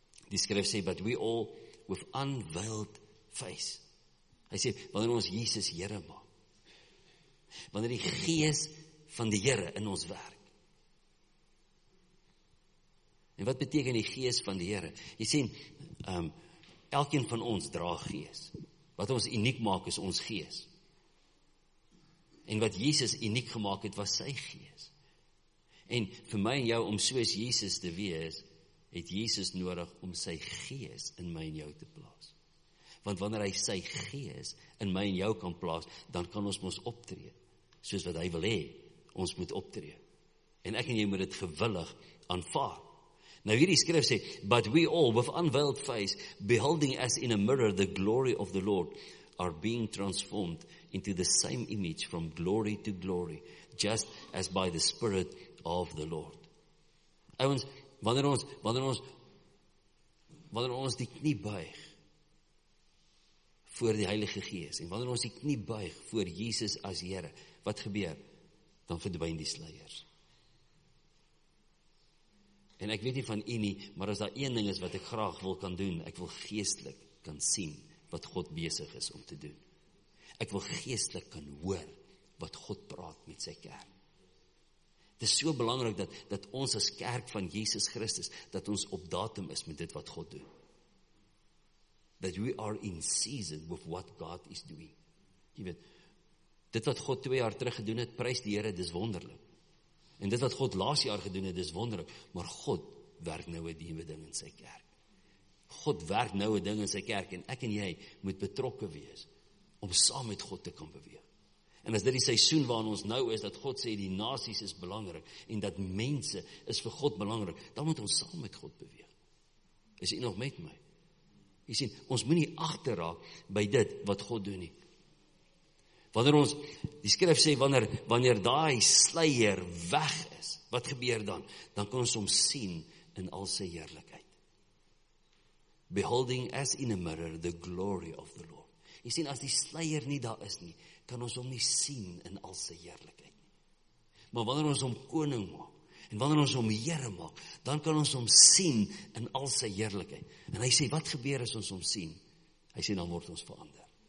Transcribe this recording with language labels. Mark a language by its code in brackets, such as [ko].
[af] Die skrif sê, [en] but we all with unveiled face. [af] Hy sê, wanneer ons Jesus Here maak, wanneer die gees van die Here in ons werk. En wat beteken die gees van die Here? Jy sien, elkeen van ons dra gees. Wat ons uniek maak is ons gees. En wat Jesus uniek gemaak het, was sy gees. En vir my en jou, om soos Jesus te wees, het Jesus nodig om sy gees in my en jou te plaas. Want wanneer hy sy gees in my en jou kan plaas, dan kan ons ons optree, soos wat hy wil hê, ons moet optree. En ek en jy moet dit gewillig aanvaar. Nou hierdie skrif sê, [en] but we all with unveiled face, beholding as in a mirror the glory of the Lord, are being transformed into the same image from glory to glory, just as by the Spirit of the Lord. [af] Ouens, wanneer ons die knie buig voor die Heilige Gees, en wanneer ons die knie buig voor Jesus as Here, wat gebeur? Dan verdwyn die sluiers. En ek weet nie van u nie, maar as daar een ding is wat ek graag wil kan doen, ek wil geestelik kan sien wat God besig is om te doen. Ek wil geestelik kan hoor wat God praat met sy kerk. Dit is so belangrik dat ons as kerk van Jesus Christus, dat ons op datum is met dit wat God doen. [en] That we are in season with what God is doing. [af] Jy weet, dit wat God 2 jaar terug gedoen het, prys die Here, dis wonderlik. En dit wat God laas jaar gedoen het, dis wonderlik. Maar God werk nou 'n nuwe ding in sy kerk. God werk nou 'n ding in sy kerk en ek en jy moet betrokke wees om saam met God te kan beweeg. En as dit die seisoen waarin ons nou is, dat God sê die nasies is belangrik en dat mense is vir God belangrik, dan moet ons saam met God beweeg. Is jy nog met my? Jy sien, ons moet nie agterraak by dit wat God doen nie. Wanneer ons, die skrif sê, wanneer daai sluier weg is, wat gebeur dan? Dan kan ons hom sien in al sy heerlikheid. [en] Beholding as in a mirror the glory of the Lord. [af] Jy sien, as die sluier nie daar is nie, kan ons hom nie sien in al sy heerlikheid nie. Maar wanneer ons hom koning maak, en wanneer ons hom Here maak, dan kan ons hom sien in al sy heerlikheid. En hy sê, wat gebeur as ons hom sien? Hy sê, dan word ons verander.